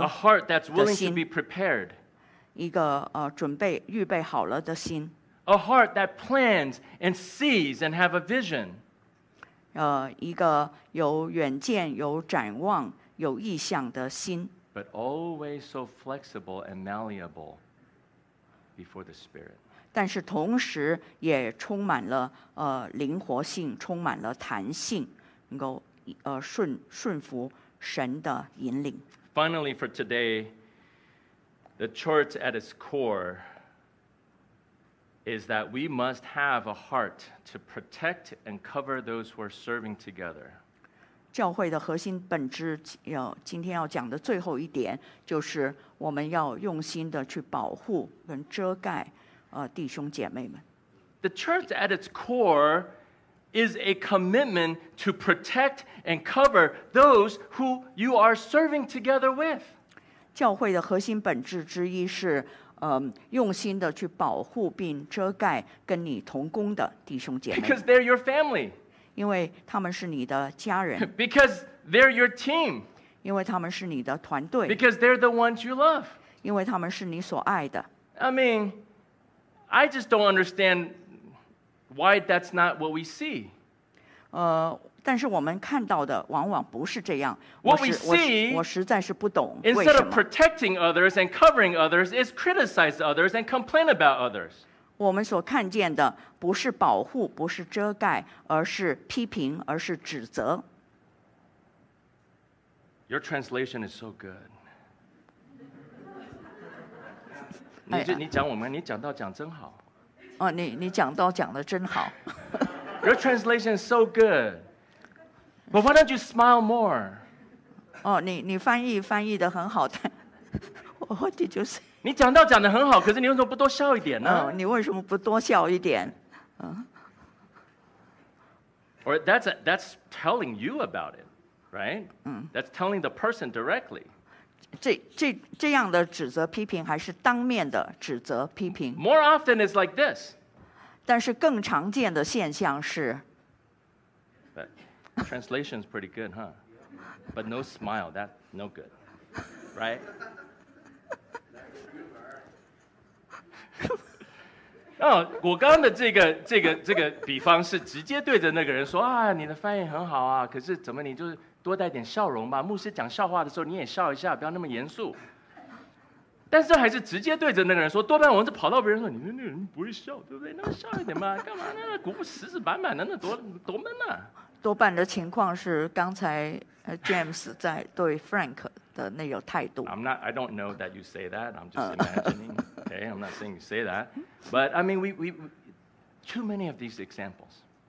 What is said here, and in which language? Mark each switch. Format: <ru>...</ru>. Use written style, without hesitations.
<en>A heart that's willing to be prepared</en> <zh>一个准备预备好了的心</zh> <en>A heart that plans and sees and have a vision</en> <zh>一个有远见有展望有意向的心</zh> <en>But always so flexible and malleableBefore the Spirit.</en> <zh>但是同时也充满了灵活性，充满了弹性，能够顺服神的引领。</zh> <en>Finally, for today, the church at its core is that we must have a heart to protect and cover those who are serving together.</en> <zh>教会的核心本质今天要讲的最后一点就是我们要用心的去保护跟遮盖弟兄姐妹们</zh> <en>The church at its core is a commitment to protect and cover those who you are serving together with</en> <zh>教会的核心本质之一是用心的去保护并遮盖跟你同工的弟兄姐妹</zh> <en>Because they're your family</en> <zh>因为他们是你的家人</zh> <en>Because they're your team.</en> <zh>因为他们是你的团队</zh> <en>Because they're the ones you love.</en> <zh>因为他们是你所爱的</zh> <en>I mean, I just don't understand why that's not what we see.</en> <zh>但是我们看到的往往不是这样</zh> <en>What we see,</en> <zh>我实在是不懂为什么</zh> <en>Instead of protecting others and covering others, is criticize others and complain about others.</en> <zh>我们所看见的不是保护，不是遮盖，而是批评，而是指责。</zh> <en>Your translation is so good.</en> <zh>你讲我们，你讲到讲真好。哦，你讲到讲的真好。</zh> <en>Your translation is so good. But why don't you smile more?</en> <zh>哦，你翻译的很好的。</zh> <en>What did you say?</en> <zh>你讲到讲得很好，可是你为什么不多笑一点呢？你为什么不多笑一点？</zh> <en>Or that's telling you about it, right? That's telling the person directly.</en> <zh>这样的指责批评还是当面的指责批评。</zh> <en>More often it's like this.</en> <zh>但是更常见的现象是。</zh> <en>But translation is pretty good, huh? But no smile, that no good, right?</en> <zh>哦、我刚刚的这个比方是直接对着那个人说啊，你的翻译很好啊，可是怎么你就多带点笑容吧？牧师讲笑话的时候你也笑一下，不要那么严肃。但是还是直接对着那个人说，多半我们就跑到别人说，你那人不会笑，对不对？那么笑一点嘛，干嘛呢？鼓鼓实实板板的，那多闷呐、啊。多半的情况是刚才 James 在对 Frank 的那种态度。</zh> <en>I don't know that you say that. I'm just imagining. Okay, I'm not saying you say that. But I mean, we too many of these examples.</en>